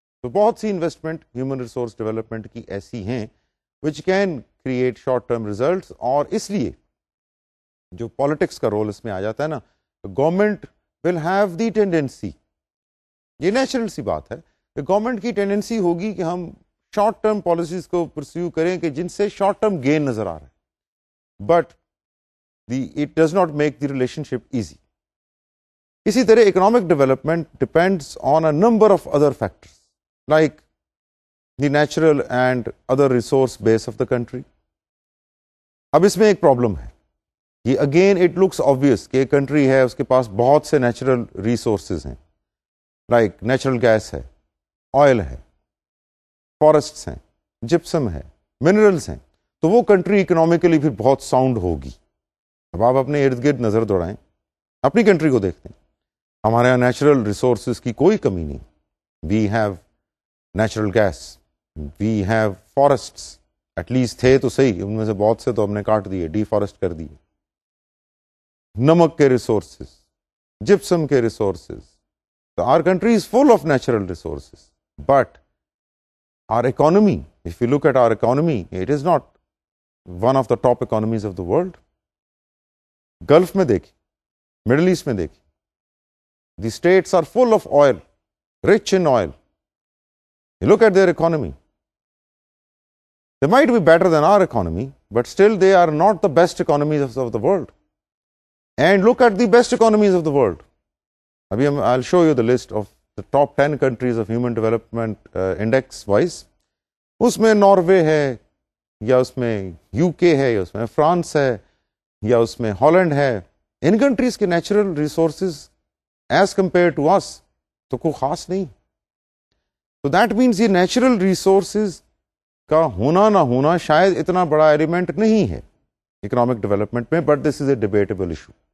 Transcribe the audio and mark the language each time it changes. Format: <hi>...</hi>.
<ur>تو بہت سی investment human resource development کی ایسی ہیں</ur> <en>which can create short term results,</en> <ur>اور اس لیے جو پالیٹکس کا رول اس میں آ جاتا ہے نا,</ur> <en>government will have the tendency,</en> <ur>یہ نیچرل سی بات ہے کہ گورنمنٹ کی ٹینڈنسی ہوگی کہ ہم شارٹ ٹرم پالیسیز کو پرسیو کریں کہ جن سے شارٹ ٹرم گین نظر آ رہا ہے,</ur> <en>But it does not make the relationship easy.</en> <ur>اسی طرح</ur> <en>Economic development depends on a number of other factors like the natural and other resource base of the country.</en> <ur>اب اس میں ایک problem ہے, یہ اگین</ur> <en>it looks obvious</en> <ur>کہ ایک country ہے اس کے پاس بہت سے نیچرل ریسورسز ہیں, لائک نیچرل گیس ہے, آئل ہے, فارسٹس ہیں, جپسم ہے, منرلس ہیں, تو وہ کنٹری اکنامیکلی بھی بہت ساؤنڈ ہوگی. اب آپ اپنے ارد گرد نظر دوڑائیں, اپنی کنٹری کو دیکھتے ہیں, ہمارے یہاں نیچرل ریسورسز کی کوئی کمی نہیں.</ur> <en>we have natural gas, we have forests, at least</en> <ur>تھے تو صحیح, ان میں سے بہت سے تو ہم نے کاٹ دیے, ڈی فارسٹ کر دیے. نمک کے ریسورسز, جپسم کے ریسورسز,</ur> <en>تو our country is full of natural resources, but our economy, if you look at our economy, it is not one of the top economies of the world.</en> <ur>Golf میں دیکھیں, middle asset میں دیکھیں,</ur> <en>The states are full of oil, rich in oil, look at their economy, they might be better than our economy, but still they are not the best economies of the world. And look at the best economies of the world,</en> <ur>ابھی</ur> <en>I'll show you the list of the top 10 countries of human development index wise.</en> <ur>اس میں Norway ہے, یا اس میں you کے ہے, یا اس میں France ہے, یا اس میں ہالینڈ ہے. ان کنٹریز کے natural resources as compare to اس تو کوئی خاص نہیں.</ur> <en>تو that means</en> <ur>یہ نیچرل ریسورسز کا ہونا نہ ہونا شاید اتنا بڑا ایلیمنٹ نہیں ہے اکنامک ڈیولپمنٹ میں,</ur> <en>But this is a debatable issue.</en>